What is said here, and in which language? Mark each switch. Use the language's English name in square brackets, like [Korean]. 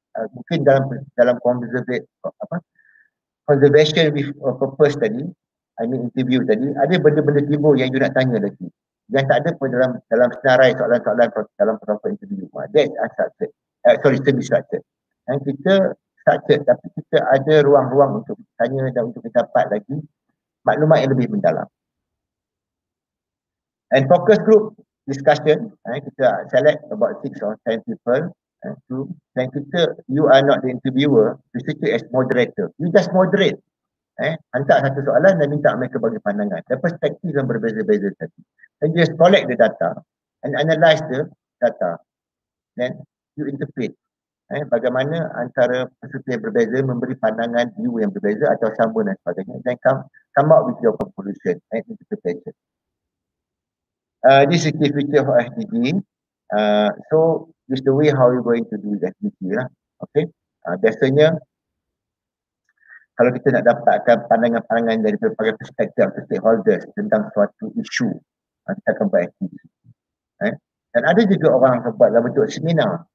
[Malay] Mungkin dalam conservation with purpose tadi, interview tadi, ada benda-benda timbul yang you nak tanya lagi. Yang tak ada pun dalam senarai soalan-soalan dalam protokol interview. [English] That's unstructured. Semi-structured. [Malay] Dan kita structured tapi kita ada ruang-ruang untuk tanya dan untuk kita dapat lagi maklumat yang lebih mendalam. [English] And focus group discussion, kita select about 6 or 10 people. Dan kita, you are not the interviewer, you sit as moderator. You just moderate. [Malay] Hantar satu soalan dan minta mereka bagi pandangan. Dan perspektif yang berbeza-beza tadi. [English] And just collect the data and analyze the data. Then you interpret. [Malay] Bagaimana antara peserta yang berbeza memberi pandangan view yang berbeza atau sama dan sebagainya, [English] then come up with your conclusion, interpretation. This is the future of SDG. So this is the way how you're going to do the SDG lah. Okay. [Malay] Biasanya kalau kita nak dapatkan pandangan-pandangan dari berbagai perspektif atau stakeholders tentang suatu isu, kita akan buat SDG. Dan ada juga orang yang buat dalam bentuk seminar.